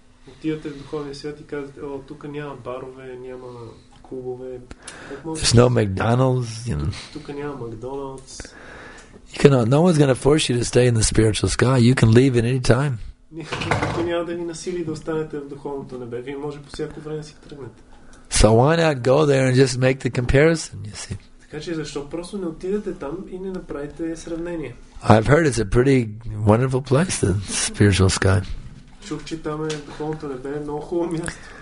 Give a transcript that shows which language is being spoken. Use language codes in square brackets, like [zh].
[bg] Отивате в духовния свят и казвате, о, тук няма барове, няма клубове. [en] There's no McDonald's. You know. [bg] Тук няма McDonald's. [en] You can, no one's going to force you to stay in the spiritual sky. You can leave at any time. [bg] Никакво няма да ни насили да останете в духовното небе. Вие може по всяко време си тръгнете. [en] So why not go there and just make the comparison, you see? [bg] Така че защо просто не отидете там и не направите сравнение? [en] I've heard it's a pretty wonderful place, the spiritual sky. [bg] Чух, че там е духовното небе, много хубаво място.